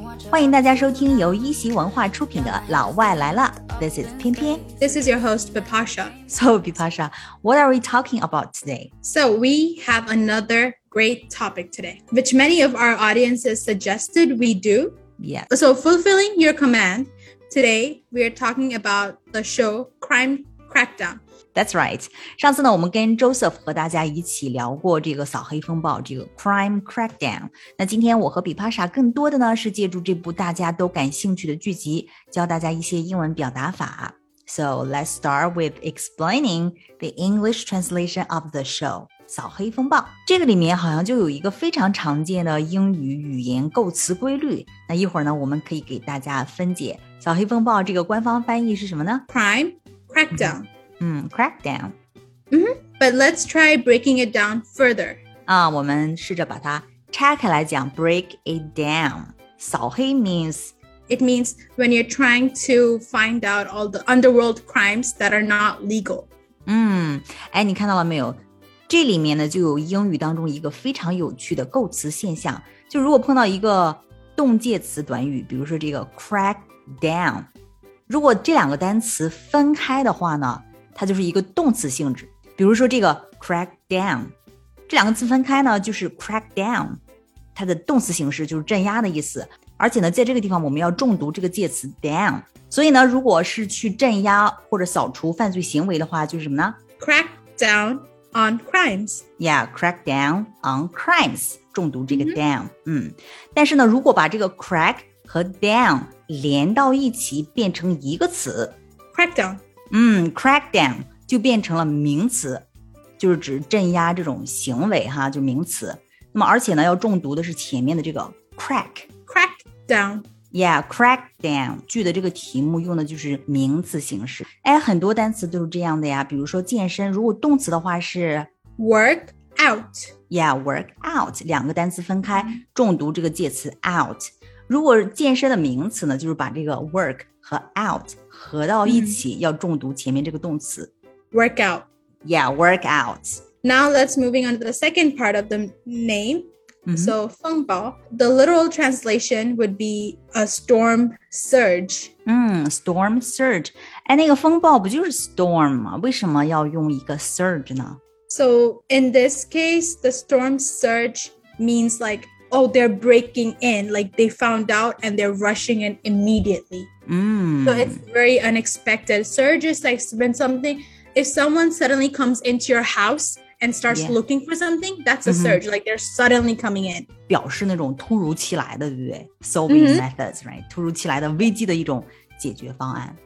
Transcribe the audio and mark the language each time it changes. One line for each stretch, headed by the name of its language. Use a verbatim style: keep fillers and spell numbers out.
Chinese: 欢迎大家收听由一席文化出品的《老外来了》。
English: This is 偏偏。 This is your host, Bipasha. So, Bipasha, what are we talking about today? So, we have another great topic today, which many of our audiences suggested we do. Yeah. So, fulfilling your command, today we are talking about the show Crime Crackdown. That's right.
Chinese: 上次呢，我们跟 Joseph 和大家一起聊过这个扫黑风暴，这个 Crime Crackdown。那今天我和比帕莎更多的呢是借助这部大家都感兴趣的剧集，教大家一些英文表达法。
English: So let's start with explaining the English translation of the show.
Chinese: 扫黑风暴这个里面好像就有一个非常常见的英语语言构词规律。那一会儿呢，我们可以给大家分解扫黑风暴这个官方翻译是什么呢
English: ？Crime Crackdown、嗯。嗯 crackdown、 mm-hmm. But let's try breaking it down further
Chinese: 啊，我们试着把它拆开来讲
English: break it down
Chinese: 扫黑 means
English: It means when you're trying to find out all the underworld crimes that are not legal
Chinese: 嗯，哎，你看到了没有，这里面呢就有英语当中一个非常有趣的构词现象，就如果碰到一个动介词短语，比如说这个 crackdown， 如果这两个单词分开的话呢，它就是一个动词性质，比如说这个 crack down， 这两个词分开呢就是 crack down， 它的动词形式就是镇压的意思。而且呢，在这个地方我们要重读这个介词 down， 所以呢，如果是去镇压或者扫除犯罪行为的话，就是什么呢
English: ？crack down on crimes。 Yeah， crack down on crimes，
Chinese: 重读这个
English: down。
Chinese: 嗯，但是呢，如果把这个 crack 和 down 连到一起变成一个词
English: ，crack down。
Chinese: 嗯 crackdown 就变成了名词，就是指镇压这种行为哈，就名词。那么而且呢，要重读的是前面的这个 crack
English: crackdown yeah
Chinese: crackdown 剧的这个题目用的就是名词形式。哎，很多单词都是这样的呀，比如说健身，如果动词的话是
English: work out yeah
Chinese: work out 两个单词分开重读这个介词 out。如果健身的名词呢，就是把这个 work 和 out 合到一起，嗯，要重读前面这个动词
English: workout yeah workout Now let's moving on to the second part of the name、mm-hmm. So 风暴 the literal translation would be a storm surge
Chinese: 嗯 storm surge 哎，那个风暴不就是 storm 吗？为什么要用一个 surge 呢？
English: So in this case the storm surge means like Oh, they're breaking in, like they found out and they're rushing in immediately. Mm. So it's very unexpected. Surge is like when something, if someone suddenly comes into your house and starts yeah. looking for something, that's a surge. Mm-hmm. Like they're suddenly coming in.
Chinese: 表示那种突如其来的，对不对 ？Solving、mm-hmm.
English: methods, right?
Chinese: 突如其来的危机的一种解决方案。